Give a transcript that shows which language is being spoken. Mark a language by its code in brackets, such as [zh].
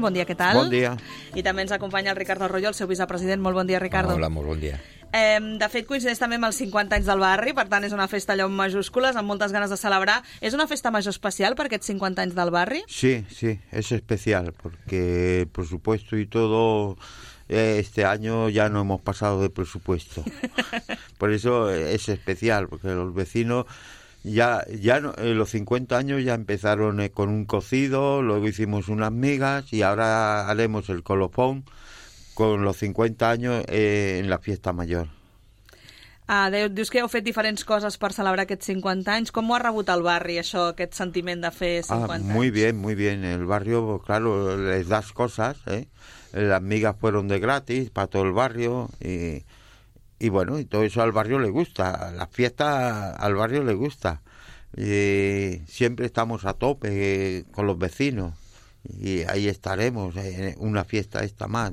[ca] Bon dia, què tal? Bon dia. I també ens acompanya el Ricardo Arroyo, el seu vicepresident. Molt bon dia, Ricardo. Hola, molt bon dia. De fet, coincideix també amb els 50 anys del barri, per tant, és una festa allò amb majúscules, amb moltes ganes de celebrar. És una festa major especial per aquests 50 anys del barri? Sí, sí, és especial, perquè, [es] por supuesto y todo... Este año ya no hemos pasado de presupuesto, por eso es especial, porque los vecinos ya no, en los 50 años ya empezaron con un cocido, luego hicimos unas migas y ahora haremos el colofón con los 50 años en la fiesta mayor. [ca] Dius que heu fet diferents coses per celebrar aquests 50 anys. Com ho ha rebut el barri, això, aquest sentiment de fer 50 anys? [es] Muy bien, muy bien. El barrio, claro, les das cosas, ¿eh? Las migas fueron de gratis para todo el barrio y bueno, y todo eso al barrio le gusta. Las fiestas al barrio le gusta. Y siempre estamos a tope con los vecinos y ahí estaremos en una fiesta esta más.